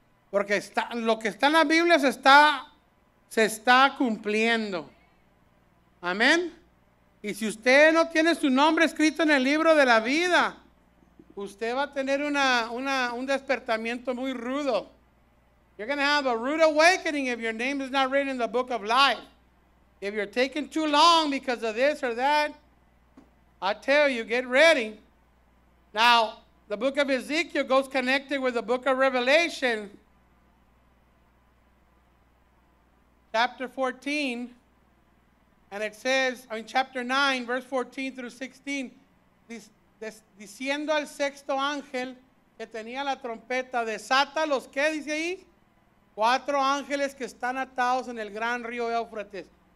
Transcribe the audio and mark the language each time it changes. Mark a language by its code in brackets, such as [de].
[es] Porque está, lo que está en la Biblia se está cumpliendo. Amén. Y si usted no tiene su nombre escrito en el libro de la vida, usted va a tener un despertamiento muy rudo. [en] You're going to have a rude awakening if your name is not written in the book of life. If you're taking too long because of this or that, I tell you, get ready. Now, the book of Ezekiel goes connected with the book of Revelation. Chapter 14. And it says, I mean, chapter 9, verse 14 through 16. [es] Diciendo al sexto ángel que tenía la trompeta, desata los que, dice ahí, cuatro ángeles que están atados en el gran río Éufrates.